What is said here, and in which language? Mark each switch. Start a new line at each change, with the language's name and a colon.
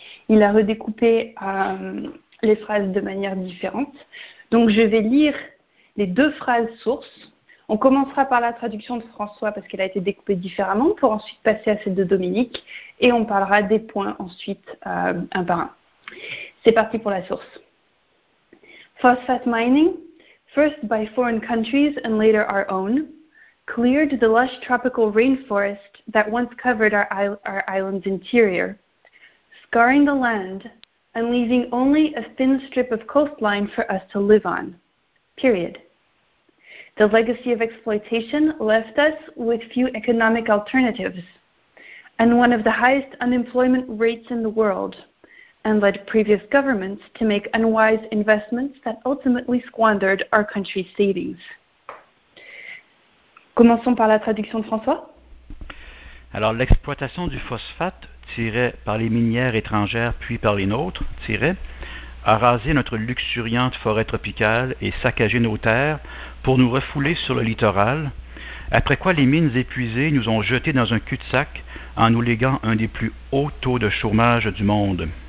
French: Il a redécoupé les phrases de manière différente. Donc je vais lire les deux phrases sources. On commencera par la traduction de François parce qu'elle a été découpée différemment pour ensuite passer à celle de Dominique et on parlera des points ensuite un par un. C'est parti pour la source.
English: Phosphate mining, first by foreign countries and later our own, cleared the lush tropical rainforest that once covered our island's interior, scarring the land and leaving only a thin strip of coastline for us to live on, period. The legacy of exploitation left us with few economic alternatives and one of the highest unemployment rates in the world and led previous governments to make unwise investments that ultimately squandered our country's savings.
French: Commençons par la traduction de François. Alors, l'exploitation du phosphate, tirait par les minières étrangères puis par les nôtres, tirait, a rasé notre luxuriante forêt tropicale et saccagé nos terres pour nous refouler sur le littoral, après quoi les mines épuisées nous ont jetés dans un cul-de-sac en nous léguant un des plus hauts taux de chômage du monde.